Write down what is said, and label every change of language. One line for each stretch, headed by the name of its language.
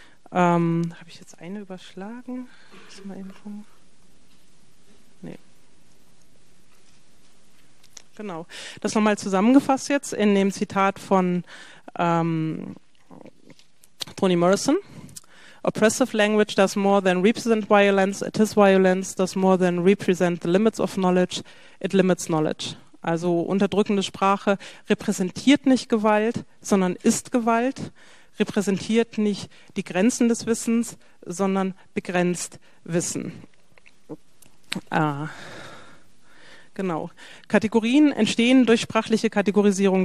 German: Habe ich jetzt eine überschlagen? Nee. Genau, das nochmal zusammengefasst jetzt in dem Zitat von Toni Morrison.
English: Oppressive language does more than represent violence, it is violence, does more than represent the limits of knowledge, it limits knowledge.
German: Also unterdrückende Sprache repräsentiert nicht Gewalt, sondern ist Gewalt, repräsentiert nicht die Grenzen des Wissens, sondern begrenzt Wissen. Genau. Kategorien entstehen durch sprachliche Kategorisierung.